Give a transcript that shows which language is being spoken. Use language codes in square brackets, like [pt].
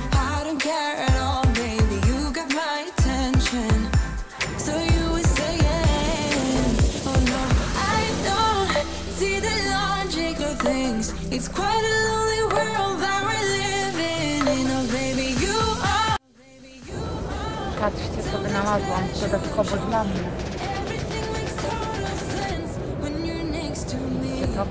[en] I don't care at all, baby. You got my attention. So you were saying, oh no, I don't see the light. Things. It's quite a lonely world that we're living in. Oh baby, you are. [pl] Patrzcie, co wynalazłam dodatkowo dla mnie. [en] Everything makes total sense when you're next to me.